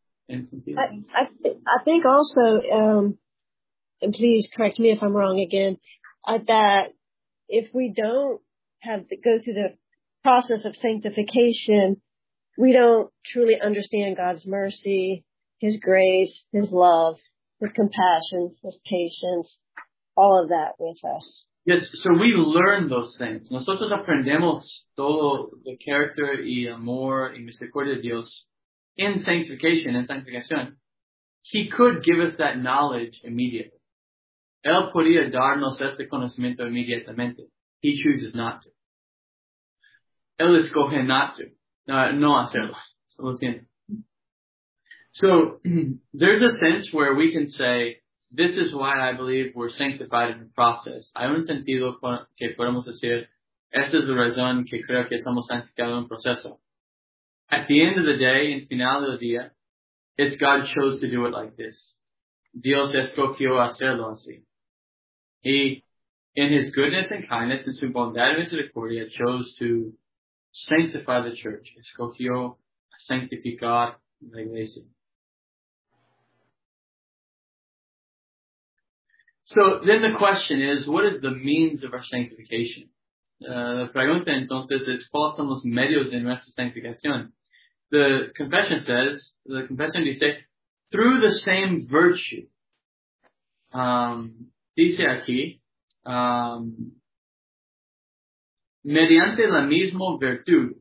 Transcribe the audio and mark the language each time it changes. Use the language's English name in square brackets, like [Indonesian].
[English] I think also, and please correct me if I'm wrong again, that if we don't have to go through the process of sanctification, we don't truly understand God's mercy, his grace, his love, his compassion, his patience, all of that with us. Yes, so we learn those things. [Spanish] Nosotros aprendemos todo el carácter y amor y misericordia de Dios [English] in sanctification, in [Spanish] sanctificación. [English] He could give us that knowledge immediately. [Spanish] Él podría darnos ese conocimiento inmediatamente. [English] He chooses not to. [Spanish] Él escoge [English] not to. [Spanish] No hacerlo. [English] So, [Spanish] lo siento. [English] So, there's a sense where we can say, this is why I believe we're sanctified in the process. [Spanish] Hay un sentido que podemos decir, esta es la razón que creo que somos santificados en proceso. [English] At the end of the day, [Spanish] en final del día, [English] it's God chose to do it like this. [Spanish] Dios escogió hacerlo así. [English] He, in his goodness and kindness, in [Spanish] su bondad y misericordia, [English] chose to sanctify the church. [Spanish] Escogió sanctificar la iglesia. [English] So then the question is, what is the means of our sanctification? [Spanish] La pregunta entonces es, ¿cuáles son los medios de nuestra sanctificación? [English] The confession dice, through the same virtue. [Spanish] Dice aquí, mediante la misma virtud.